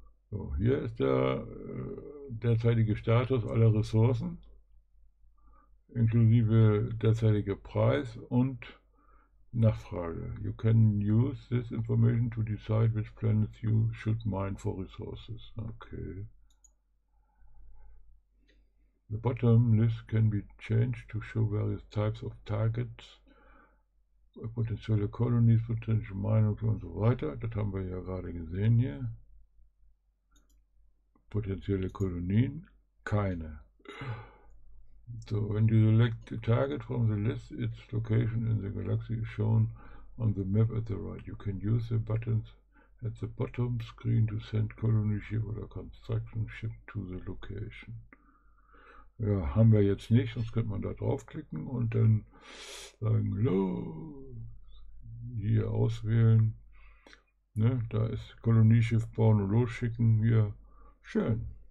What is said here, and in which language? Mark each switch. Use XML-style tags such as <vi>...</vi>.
<de>So, hier ist der derzeitige Status aller Ressourcen, inklusive derzeitiger Preis und Nachfrage.</de> <en>You can use this information to decide which planets you should mine for resources. Okay. The bottom list can be changed to show various types of targets,</en> <de>potenzielle</de> <en>Colonies, potential Mines</en> <de>und so weiter. Das haben wir ja gerade gesehen hier. Potenzielle Kolonien? Keine.</de> <en>So, when you select a target from the list, its location in the galaxy is shown on the map at the right. You can use the buttons at the bottom screen to send colony ship or construction ship to the location.</en> <de>Ja, haben wir jetzt nicht, sonst könnte man da draufklicken und dann sagen, los, hier auswählen. Ne, da ist Kolonieschiff bauen und losschicken hier. Schön.</de>